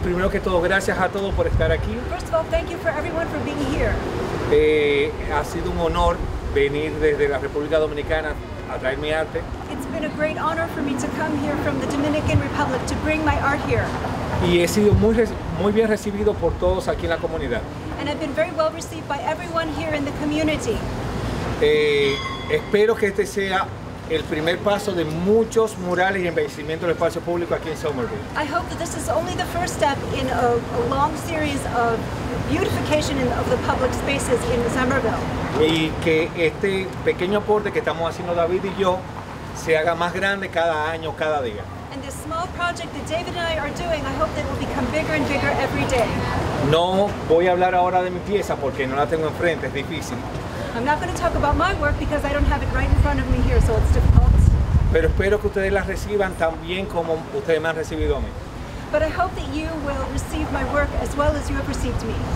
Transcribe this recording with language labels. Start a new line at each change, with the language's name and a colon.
Spanish: Primero que todo, gracias a todos por estar aquí.
English: First of all, thank you for everyone for being here.
Spanish: Ha sido un honor venir desde la República Dominicana a traer mi arte.
English: It's been a great honor for me to come here from the Dominican Republic to bring my art here.
Spanish: Y he sido muy muy bien recibido por todos aquí en la comunidad.
English: And I've been very well received by everyone here in the community.
Spanish: Espero que este sea el primer paso de muchos murales y embellecimiento del espacio público aquí en Somerville.
English: I hope that this is only the first step in a long series of beautification of the public spaces in Somerville.
Spanish: Y que este pequeño aporte que estamos haciendo David y yo se haga más grande cada año, cada día.
English: And this small project that David and I are doing, I hope that it will become bigger and bigger every day.
Spanish: No voy a hablar ahora de mi pieza porque no la tengo enfrente, es difícil.
English: I'm not going to talk about my work because I don't have it right in front of me here, so it's difficult.
Spanish: Pero espero que ustedes la reciban tan bien como ustedes me han recibido a mí.
English: But I hope that you will receive my work as well as you have received me.